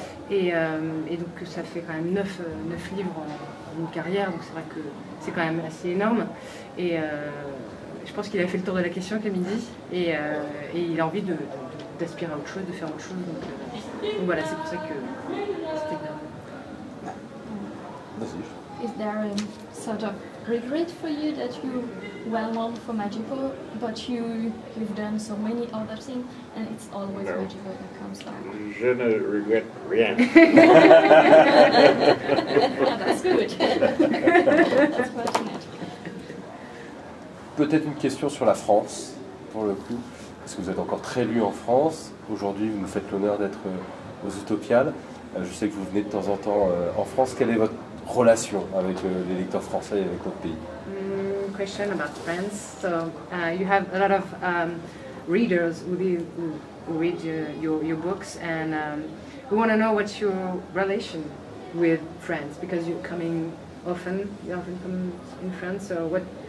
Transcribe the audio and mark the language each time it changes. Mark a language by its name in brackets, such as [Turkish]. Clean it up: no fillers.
[French] Et donc ça fait quand même 9 livres en une carrière, donc c'est vrai que c'est quand même assez énorme. Je pense qu'il a fait le tour de la question, comme il dit, et il a envie d'aspirer à autre chose, de faire autre chose. Donc voilà, c'est pour ça que c'était bien. Vas-y. [English] Is there a sort of regret for you that you well known for magical, but you've done so many other things, and it's always magical that comes back? [French] Je ne regrette rien. [English] That's good. That's fortunate. [French] Peut-être une question sur la France, pour le coup, parce que vous êtes encore très lu en France. Aujourd'hui, vous nous faites l'honneur d'être aux Utopiales. Je sais que vous venez de temps en temps en France. Quelle est votre relation avec les lecteurs français et avec votre pays? [English] Question about France. So, you have a lot of readers who read your books, and we want to know what's your relation with France, because you're coming often. You often come in France. So, what?